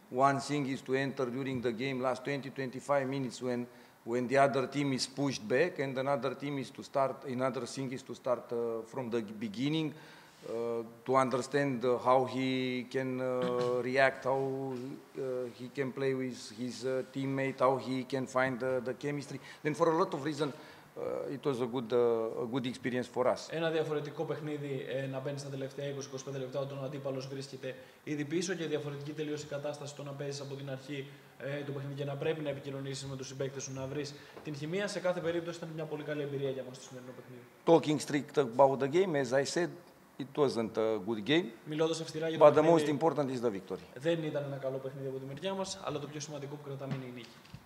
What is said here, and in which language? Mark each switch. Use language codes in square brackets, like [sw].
[en] One thing is to enter during the game last 20-25 minutes when the other team is pushed back, and another thing is to start from the beginning to understand how he can react, how he can play with his teammate, how he can find the chemistry. Then for a lot of reasons, it was a good experience for us. [el] Ένα διαφορετικό παιχνίδι να μπαίνει στα τελευταία 20-25 λεπτά όταν ο αντίπαλος βρίσκεται ήδη πίσω και διαφορετική τελείως η κατάσταση το να παίζεις από την αρχή του παιχνίδι και να πρέπει να επικοινωνήσεις με τους συμπαίκτες σου, να βρεις την χημεία. Σε κάθε περίπτωση ήταν μια πολύ καλή εμπειρία για μας το σημερινό παιχνίδι. [en] Talking strict about the game, as I said, it wasn't a good game. [el] Μιλώντας αυστηρά για το παιχνίδι, [en] but the most important is the victory. [el] Δεν ήταν ένα καλό παιχνίδι από τη μεριά μας, αλλά το πιο σημαντικό που κρατάμε είναι η νίκη.